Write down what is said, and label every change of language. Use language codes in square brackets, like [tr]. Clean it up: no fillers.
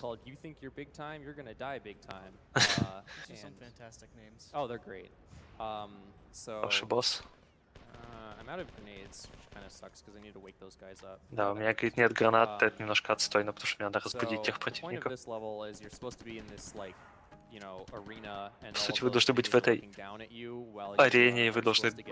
[en] Called, you think you're big time, you're gonna die big time. And... some fantastic names. Oh, they're great. So... [ru] хороший босс. [en] I'm out of grenades, which kind of sucks, because I need to wake those guys up. [ru] Да, у меня, говорит, нет гранат, это немножко отстойно, потому что мне надо разбудить тех противников. [en] So, the point of this level is you're supposed to be in this, like, you know, arena, and [ru] по сути, вы должны быть в этой арене, и вы должны...